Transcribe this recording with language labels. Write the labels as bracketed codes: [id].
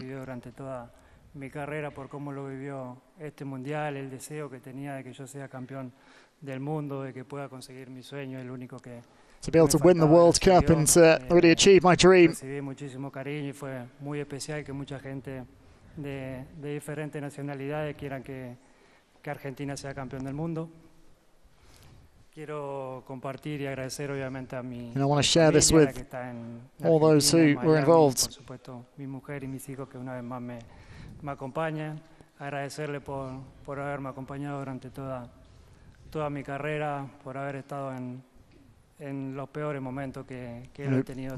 [es] Durante toda mi carrera por cómo lo vivió este mundial, el deseo que tenía de que yo sea campeón del mundo, de que pueda conseguir mi sueño, el único que [en] to be able to win the World Cup and to really achieve my dream. [es] Recibí muchísimo cariño y fue muy especial que mucha gente de diferentes nacionalidades quieran que Argentina sea campeón del mundo. Quiero compartir y agradecer obviamente a mi familia. [en] I want to share this with all those who were involved. [es] Por supuesto, mi mujer y mis hijos que una vez más me acompañan. Agradecerle por haberme acompañado durante toda mi carrera, por haber estado en los peores momentos que he tenido también.